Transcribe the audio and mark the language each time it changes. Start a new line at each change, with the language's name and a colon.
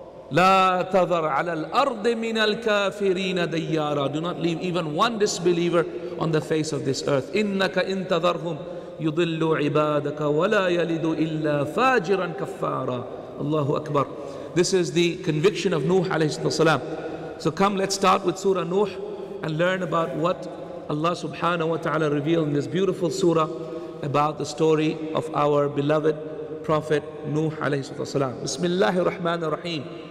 Arabic: لا تذر على الأرض من الكافرين ديارا.
English: Do not leave even one disbeliever on the face of this earth.
Arabic: إنك إن تذرهم يضل عبادك ولا يلد إلا فاجرا كفارا. الله أكبر.
English: This is the conviction of Nuh عليه السلام. So come, let's start with Surah Nuh and learn about what Allah subhanahu wa ta'ala revealed in this beautiful surah about the story of our beloved Prophet Nuh عليه السلام.
Arabic: بسم الله الرحمن الرحيم.